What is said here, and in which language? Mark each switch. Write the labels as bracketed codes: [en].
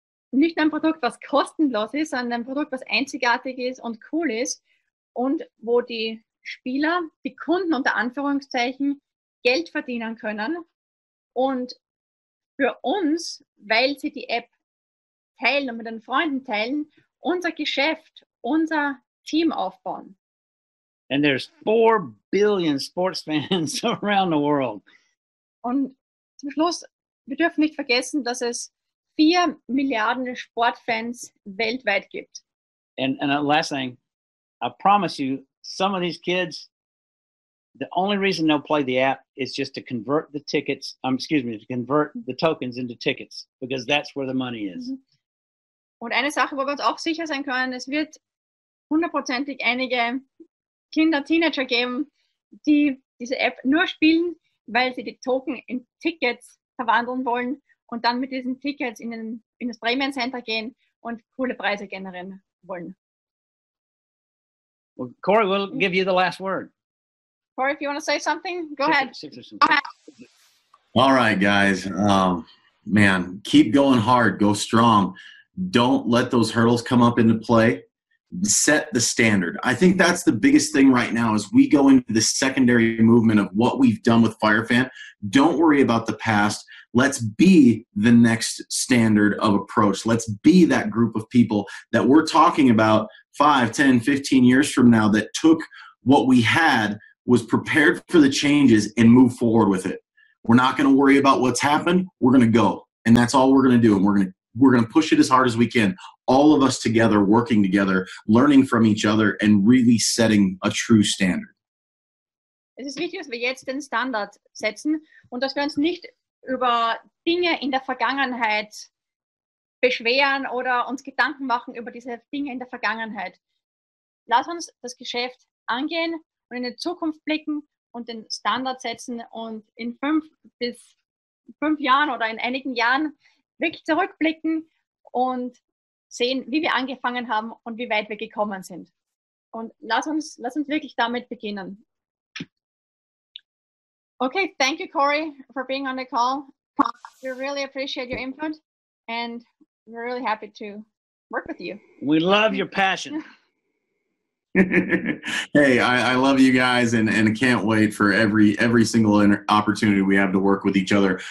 [de] Nicht ein Produkt, was kostenlos ist, sondern ein Produkt, was einzigartig ist und cool ist und wo die Spieler, die Kunden unter Anführungszeichen, Geld verdienen können. Und für uns, weil sie die App teilen und mit den Freunden teilen, unser Geschäft, unser Team aufbauen. [en] And there's 4 billion sports fans around the world. [de] Und zum Schluss, wir dürfen nicht vergessen, dass es 4 Milliarden Sportfans weltweit gibt. [en] And last thing, I promise you, some of these kids, the only reason they'll play the app is just to convert the tickets, to convert the tokens into tickets, because that's where the money is. [de] Und eine Sache, wo wir uns auch sicher sein können, es wird hundertprozentig einige Kinder, Teenager geben, die diese App nur spielen, weil sie die Token in Tickets verwandeln wollen. Und dann mit diesen Tickets in das Premium Center gehen und coole Preise generieren wollen. [en] Well, Corey, we'll give you the last word. Corey, if you want to say something, go ahead. All right, guys. Man, keep going hard. Go strong. Don't let those hurdles come up into play. Set the standard. I think that's the biggest thing right now as we go into the secondary movement of what we've done with FireFan. Don't worry about the past. Let's be the next standard of approach. Let's be that group of people that we're talking about 5, 10, 15 years from now that took what we had, was prepared for the changes, and moved forward with it. We're not going to worry about what's happened. We're going to go, and that's all we're going to do, and we're going to push it as hard as we can, all of us together, working together, learning from each other, and really setting a true standard. [de] Es ist wichtig, dass wir jetzt den Standard setzen und dass wir uns nicht über Dinge in der Vergangenheit beschweren oder uns Gedanken machen über diese Dinge in der Vergangenheit. Lass uns das Geschäft angehen und in die Zukunft blicken und den Standard setzen und in 5 bis 5 Jahren oder in einigen Jahren wirklich zurückblicken und sehen, wie wir angefangen haben und wie weit wir gekommen sind. Und lass uns wirklich damit beginnen. [en] Okay, thank you, Corey, for being on the call. We really appreciate your input, and we're really happy to work with you. We love your passion. Hey, I love you guys, and can't wait for every single opportunity we have to work with each other.